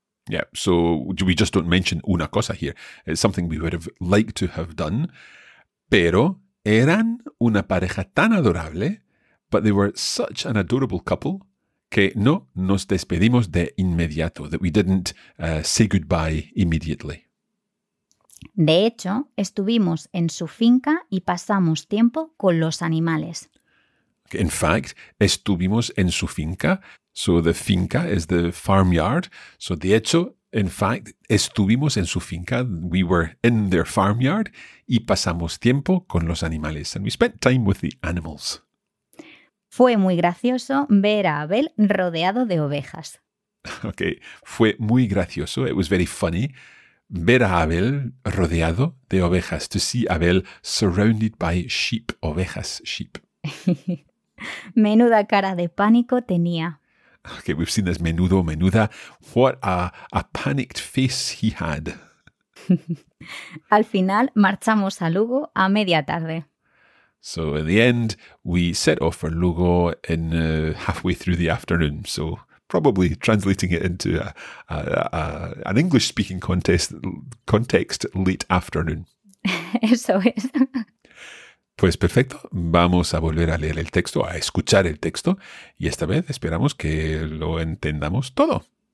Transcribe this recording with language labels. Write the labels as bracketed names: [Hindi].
[English] Yeah, so we just don't mention una cosa here. It's something we would have liked to have done. [Spanish] Pero eran una pareja tan adorable, [English] but they were such an adorable couple, [Spanish] que no nos despedimos de inmediato, [English] that we didn't say goodbye immediately. [Spanish] De hecho, estuvimos en su finca y pasamos tiempo con los animales. [English] In fact, [Spanish] estuvimos en su finca. [English] So the finca is the farmyard. [Spanish] So de hecho, [English] in fact, [Spanish] estuvimos en su finca. [English] We were in their farmyard [Spanish] y pasamos tiempo con los animales. [English] And we spent time with the animals. [Spanish] Fue muy gracioso ver a Abel rodeado de ovejas. [English] Okay, [Spanish] fue muy gracioso. [English] It was very funny. [Spanish] Ver a Abel rodeado de ovejas. [English] To see Abel surrounded by sheep, ovejas, sheep. [Spanish] Menuda cara de pánico tenía. [English] Okay, we've seen this menudo, menuda. What a panicked face he had. [Spanish] Al final, marchamos a Lugo a media tarde. [English] So in the end, we set off for Lugo in halfway through the afternoon. So probably translating it into an English-speaking context, late afternoon. [Spanish] Eso es. Pues perfecto. Vamos a volver a leer el texto, a escuchar el texto. Y esta vez esperamos que lo entendamos todo.